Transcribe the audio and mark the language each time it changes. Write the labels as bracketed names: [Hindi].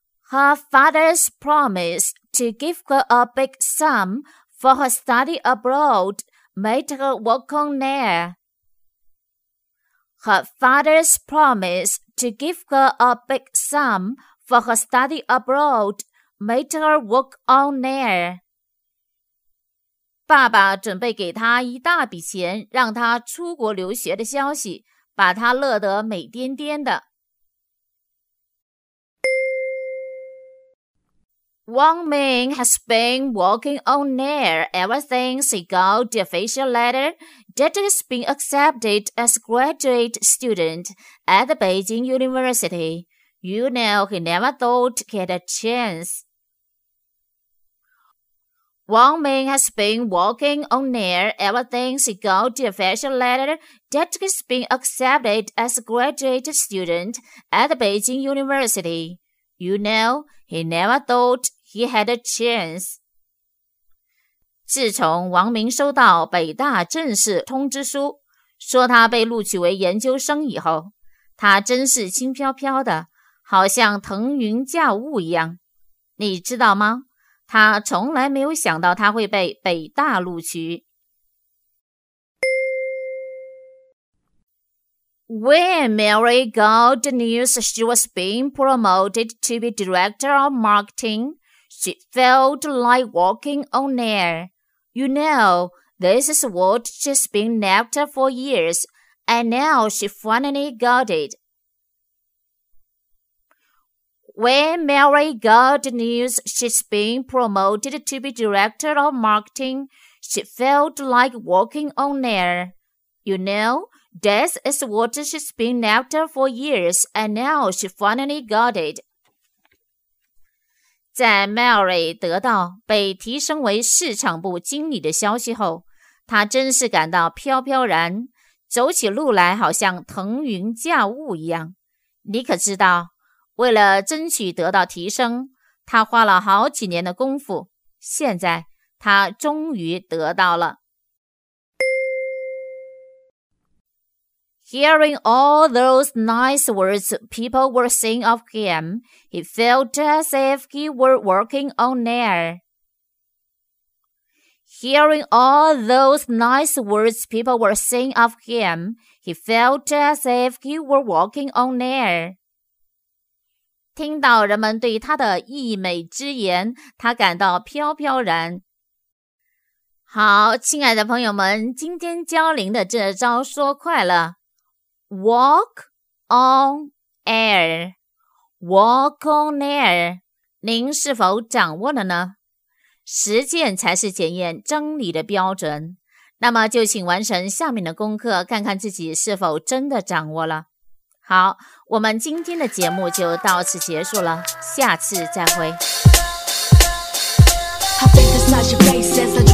[English] Her father's promise to give her a big sum for her study abroad made her walk on air. Her father's promise to give her a big sum for her study abroad made her walk on air. [Chinese] 爸爸准备给他一大笔钱让他出国留学的消息把他乐得美颠颠的。 [English] Wang Ming has been walking on air ever since he got the official letter that he's been accepted as a graduate student at Beijing University. You know, he never thought he'd get a chance. Wang Ming has been walking on air ever since he got the official letter that he's been accepted as a graduate student at Beijing University. You know, he never thought he had a chance. [Chinese] 自从王明收到北大正式通知书，说他被录取为研究生以后，他真是轻飘飘的，好像腾云驾雾一样。你知道吗？他从来没有想到他会被北大录取。 [English] When Mary got the news she was being promoted to be director of marketing, she felt like walking on air. You know, this is what she's been after for years, and now she finally got it. When Mary got the news she's been promoted to be director of marketing, she felt like walking on air. You know, this is what she's been after for years, and now she finally got it. [Chinese] 在 Mary 得到被提升为市场部经理的消息后，她真是感到飘飘然，走起路来好像腾云驾雾一样。你可知道？为了争取得到提升，他花了好几年的功夫，现在他终于得到了。 [English] Hearing all those nice words people were saying of him, he felt as if he were walking on air. Hearing all those nice words people were saying of him, he felt as if he were walking on air. [Chinese] 听到人们对他的溢美之言，他感到飘飘然。好，亲爱的朋友们，今天娇玲的这招说快了。 Walk on air, walk on air, 您是否掌握了呢？实践才是检验真理的标准。那么就请完成下面的功课，看看自己是否真的掌握了。好，我们今天的节目就到此结束了，下次再会。